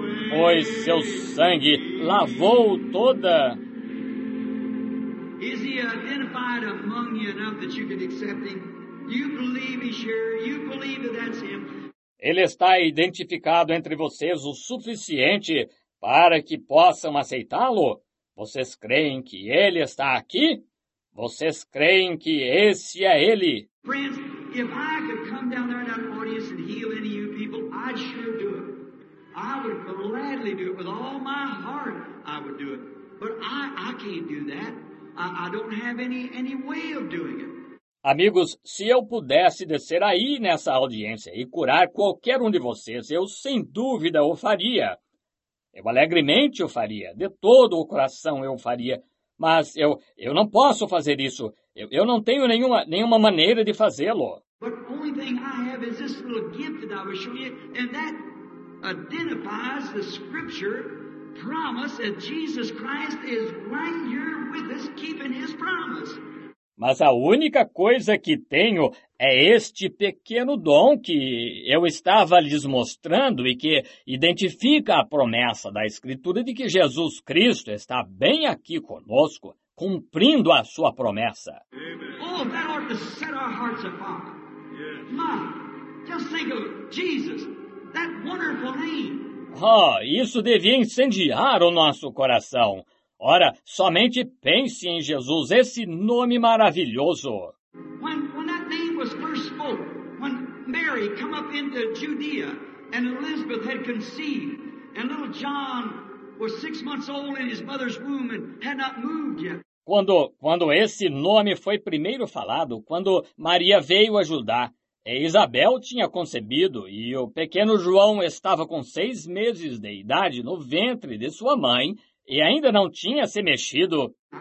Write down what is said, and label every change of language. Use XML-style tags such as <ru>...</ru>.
<pt>Pois seu sangue lavou toda.</pt> <en>Is he identified among you enough that you can accept him? You believe he's here, you believe that's him.</en> <pt>Ele está identificado entre vocês o suficiente para que possam aceitá-lo? Vocês creem que ele está aqui? Vocês creem que esse é ele?</pt> <en>Friends, if I could come down there in that audience and heal any of you people, I'd sure do it. I would gladly do it with all my heart. I would do it. But I can't do that. I don't have any way of doing it.</en> <pt>Amigos, se eu pudesse descer aí nessa audiência e curar qualquer um de vocês, eu sem dúvida o faria. Eu alegremente o faria, de todo o coração eu o faria, mas eu não posso fazer isso. Eu não tenho nenhuma maneira de fazê-lo.</pt> <en>But the only thing I have is this little gift that I was showing you, and that identifies the scripture promise that Jesus Christ is right here with us, keeping his promise.</en> <pt>Mas a única coisa que tenho é este pequeno dom que eu estava lhes mostrando e que identifica a promessa da Escritura de que Jesus Cristo está bem aqui conosco, cumprindo a sua promessa.</pt> <en>Oh, that ought to set our hearts afire. Yes. My, just think of Jesus, that wonderful name.</en> <pt>Oh, isso devia incendiar o nosso coração. Ora, somente pense em Jesus, esse nome maravilhoso.</pt> <en>When that name was first spoke, when Mary came up into Judea and Elizabeth had conceived, and little John was 6 months old in his mother's womb and had not moved yet.</en> <pt>Quando esse nome foi primeiro falado, quando Maria veio a Judá, Isabel tinha concebido e o pequeno João estava com 6 meses de idade no ventre de sua mãe, e ainda não tinha se mexido.</pt>